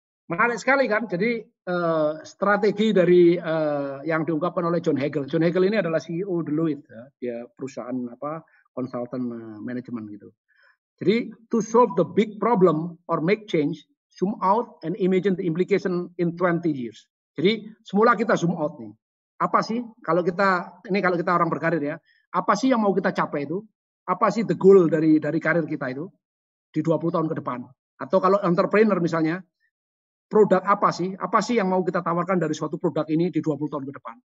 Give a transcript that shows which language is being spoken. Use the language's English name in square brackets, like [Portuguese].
[Indonesian] Menarik sekali kan, jadi strategi dari yang diungkapkan oleh John Hagel. John Hagel ini adalah CEO Deloitte, ya. Dia perusahaan konsultan manajemen gitu. [English] Jadi to solve the big problem or make change, zoom out and imagine the implication in 20 years. [Indonesian] Jadi semula kita zoom out nih. Apa sih kalau kita orang berkarir ya? Apa sih yang mau kita capai itu? Apa sih [English] the goal [Indonesian] dari karir kita itu di 20 tahun ke depan? Atau kalau entrepreneur misalnya? produk apa sih? Apa sih yang mau kita tawarkan dari suatu produk ini di 20 tahun ke depan?